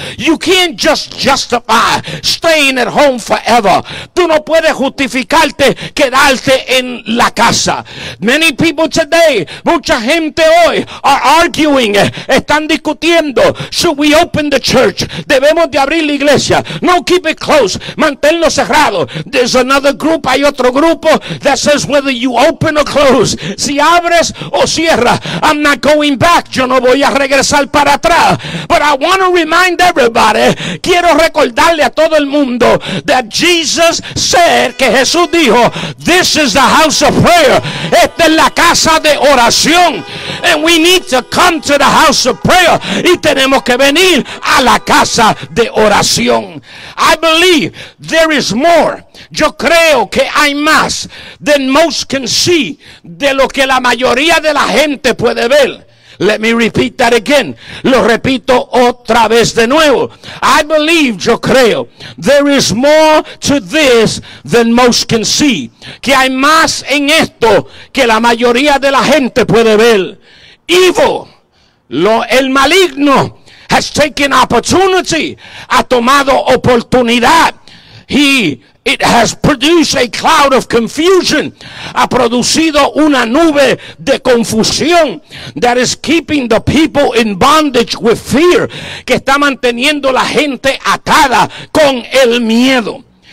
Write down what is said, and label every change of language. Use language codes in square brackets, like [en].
[en] You can't just justify staying at home forever. [es] Tú no puedes justificarte quedarte en la casa. [en] Many people today, [es] mucha gente hoy, [en] are arguing, [es] están discutiendo, [en] should we open the church? [es] Debemos de abrir la iglesia. [en] No, keep it closed. [es] Manténlo cerrado. [en] There's another group. [es] Hay otro grupo [en] that says whether you open or close. [es] Si abres o cierras. [en] I'm not going back. [es] Yo no voy a regresar para atrás. [en] But I want to remind everybody. [es] Quiero recordarle a todo el mundo [en] that Jesus said, [es] que Jesús dijo, [en] this is the house of prayer. [es] Esta es la casa de oración. [en] And we need to come to the house of prayer. [es] Y tenemos que venir a la casa de oración. [en] I believe there is more. [es] Yo creo que hay más [en] than most can see, [es] de lo que la mayoría de la gente puede ver. [en] Let me repeat that again. [es] Lo repito otra vez de nuevo. [en] I believe, [es] yo creo, [en] there is more to this than most can see. [es] Que hay más en esto que la mayoría de la gente puede ver. Evil, el maligno, [en] has taken opportunity, [es] ha tomado oportunidad. [en] It has produced a cloud of confusion, [es] ha producido una nube de confusión, [en] that is keeping the people in bondage with fear, [es] que está manteniendo la gente atada con el miedo.